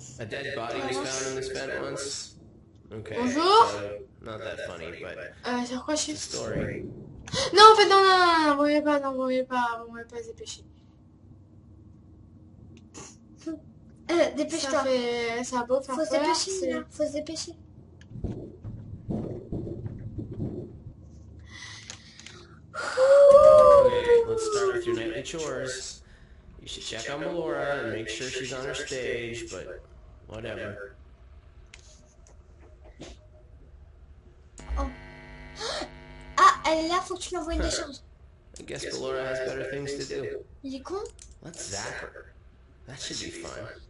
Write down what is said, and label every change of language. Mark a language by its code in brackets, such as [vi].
[en] A dead body was found in this bed once. Okay. Bonjour. Not that funny, but. [fr] Sur quoi je suis? [en] Story. [fr] Non, en fait, non, vous voyez pas, dépêchez. Dépêche-toi. Ça a beau faire faut Faut se dépêcher, c'est... là. Faut se dépêcher. [en] Okay, let's start with your nightly chores. You should check on Melora and make sure she's on her stage, but whatever. Oh. [fr] Ah, elle est là, faut que tu l'envoies une décharge. [en] I guess Melora has better things to do. [fr] Il est con? [en] Let's zap her. That should be fine.